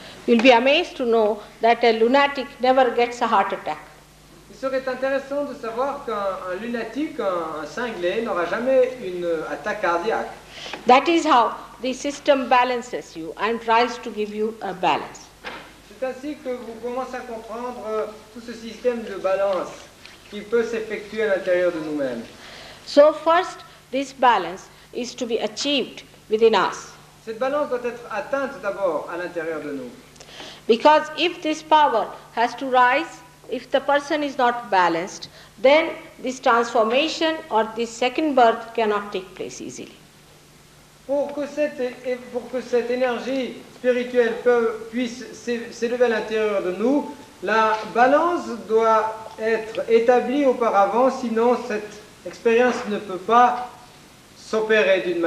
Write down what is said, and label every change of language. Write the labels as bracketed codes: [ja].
[en] You'll be amazed to know that a lunatic never gets a heart attack. [fr] Il serait intéressant de savoir qu'un cinglé n'aura jamais une attaque cardiaque. [en] That is how the system balances you and tries to give you a balance. [fr] C'est ainsi que vous commencez à comprendre tout ce système de balance qui peut s'effectuer à l'intérieur de nous-mêmes. [en] So first, this balance is to be achieved within us. [fr] Cette balance doit être atteinte d'abord à l'intérieur de nous. [en] Because if this power has to rise, if the person is not balanced, then this transformation or this second birth cannot take place easily. [fr] Pour que cette énergie spirituelle puisse s'élever à l'intérieur de nous, la balance doit être établie auparavant, sinon cette expérience ne peut pas s'opérer.